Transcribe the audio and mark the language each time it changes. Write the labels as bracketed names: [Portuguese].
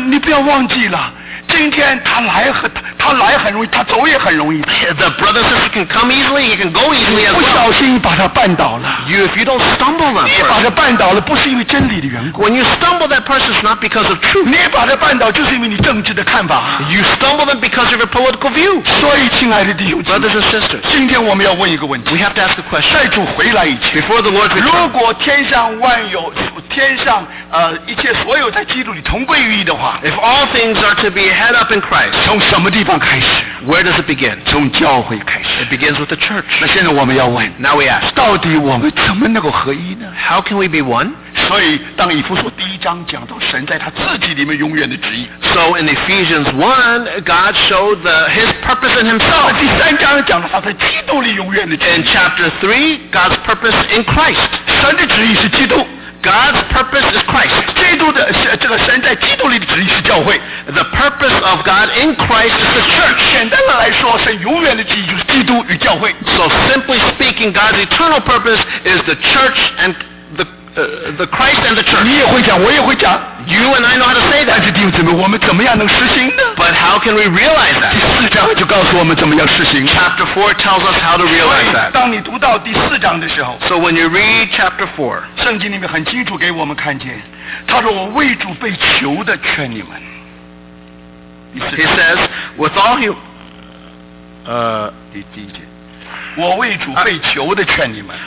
[Chinese] 你不要忘记了今天他来和他他来很容易，他走也很容易。 [English] The brother says he can come easily, he can go easily as well. [Chinese] 不小心把他绊倒了。 [English] You, if you don't stumble that person. [Chinese] 你把他绊倒了，不是因为真理的缘故。 [English] When you stumble that person, it's not because of truth. [Chinese] 你把他绊倒，就是因为你政治的看法。 [English] You stumble them because of your political view. [Chinese] 所以，亲爱的弟兄姊妹 [English] brothers and sisters, [Chinese] 今天我们要问一个问题。 [English] We have to ask a question. [Chinese] 在主回来以前 [English] before the Lord returns. [Chinese] 如果天上万有，天上一切所有在基督里同归于一的话 [English] ，If all things are to be head up in Christ, [Chinese] 从什么地方？ [English] Where does it begin? [Chinese] 从教会开始。 [English] It begins with the church. [Chinese] 那现在我们要问。 [English] Now we ask. [Chinese] 到底我们怎么能够合一呢 [English] ？How can we be one? [Chinese] 所以当以弗所第一章讲到神在他自己里面永远的旨意。 [English] So in Ephesians 1, God showed his purpose in himself. [Chinese] 第三章讲到他在基督里永远的旨意。 [English] In chapter 3, God's purpose in Christ. [Chinese] 神的旨意是基督。 [English] God's purpose is Christ. [Chinese] 基督的这个神在基督里的旨意是教会。 [English] The purpose of God in Christ is the church. [Chinese] 简单的来说，神永远的旨意就是基督与教会。 [English] So simply speaking, God's eternal purpose is the church and the Christ and the church. [Chinese] 你也会讲，我也会讲。 [English] You and I know how to say that. [Chinese] 但是弟兄姊妹，我们怎么样能实行呢 [English] ？But how can we realize that? [Chinese] 第四章就告诉我们怎么样实行。 [English] Chapter 4 tells us how to realize that. [Chinese] 当你读到第四章的时候 [English] ，So when you read chapter 4, [Chinese] 圣经里面很清楚给我们看见，他说我为主被囚的劝你们。 [English] He says, with all you, [Chinese] 第一节，我为主被囚的劝你们。